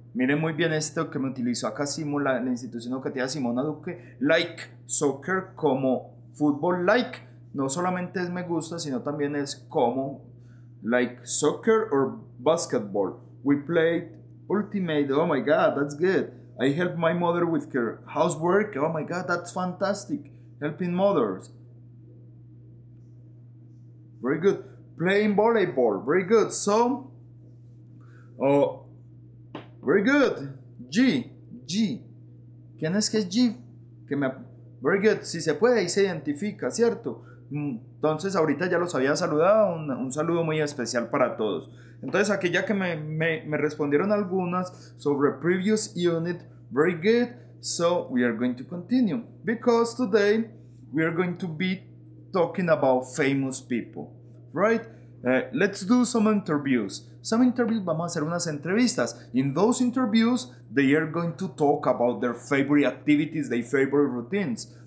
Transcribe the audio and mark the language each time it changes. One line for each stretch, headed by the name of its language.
Spanish: Miren muy bien esto que me utilizó acá Simula, la institución educativa Simona Duque.
English: Like soccer,
Spanish: como fútbol,
English: like.
Spanish: No solamente es me gusta, sino también es como,
English: like soccer or basketball. We played ultimate, oh my God, that's good. I helped my mother with her housework. Oh my God, that's fantastic. Helping mothers. Very good. Playing volleyball. Very good. So, very good. G.
Spanish: ¿Quién es que es G? Que me...
English: Very good.
Spanish: Si se puede, ahí se identifica, ¿cierto? Entonces, ahorita ya los había saludado. Un saludo muy especial para todos. Entonces, aquí ya que me respondieron algunas sobre
English: previous unit. Very good. So, we are going to continue. Because today, we are going to be talking about famous people, right? Let's do some interviews. Some interviews,
Spanish: vamos a hacer unas entrevistas.
English: In those interviews, they are going to talk about their favorite activities, their favorite routines.